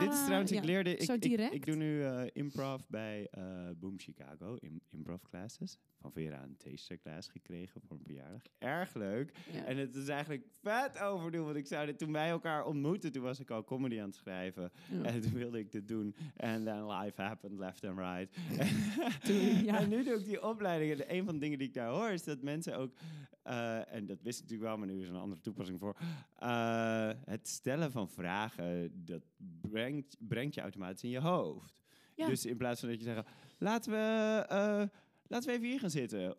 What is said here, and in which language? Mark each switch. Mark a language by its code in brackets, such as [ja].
[nl] dit is trouwens, ik leerde... Ik doe nu improv bij Boom Chicago, improv classes. Van Vera een taster-class gekregen voor een verjaardag. Erg leuk. Ja. En het is eigenlijk vet overdoen, want ik zou dit... Toen wij elkaar ontmoetten, toen was ik al comedy aan het schrijven. Ja. En toen wilde ik dit doen. [en] And then life happened left and right. [nl] En nu doe ik die opleiding. En een van de dingen die ik daar hoor, is dat mensen ook... en dat wist ik natuurlijk wel, maar nu is er een andere toepassing voor. Het stellen van vragen, dat brengt je automatisch in je hoofd. Ja. Dus in plaats van dat je zegt, laten we even hier gaan zitten.